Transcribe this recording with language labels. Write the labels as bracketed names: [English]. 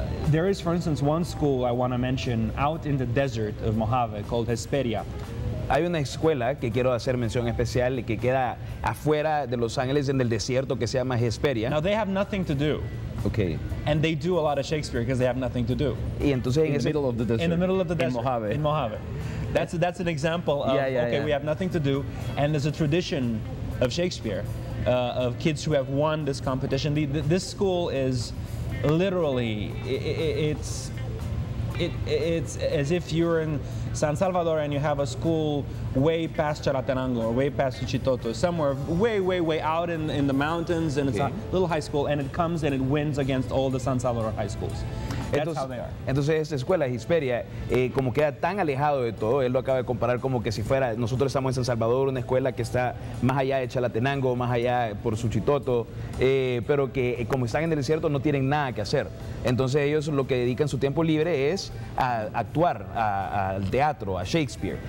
[English] There is, for instance, one school I want to mention out in the desert of Mojave called Hesperia. [Spanish] Hay una escuela que quiero hacer mención especial que queda afuera de Los Ángeles en el desierto que se llama Hesperia. [English] Now they have nothing to do. Okay. And they do a lot of Shakespeare because they have nothing to do. [Spanish] Y entonces [English] in the middle of the desert. In the middle of the desert. In Mojave. In Mojave. That's an example of, we have nothing to do. And there's a tradition of Shakespeare, of kids who have won this competition. This school is literally, it's as if you're in San Salvador and you have a school way past Charatenango or way past Chitoto, somewhere way, way, way out in the mountains, and it's a little high school, and it comes and it wins against all the San Salvador high schools. That's [Spanish] entonces, [English] how they are. [Spanish] Entonces, esa escuela, Hesperia, como queda tan alejado de todo, él lo acaba de comparar como que si fuera, nosotros estamos en San Salvador, una escuela que está más allá de Chalatenango, más allá por Suchitoto, pero que como están en el desierto no tienen nada que hacer. Entonces, ellos lo que dedican su tiempo libre es a actuar, al teatro, a Shakespeare.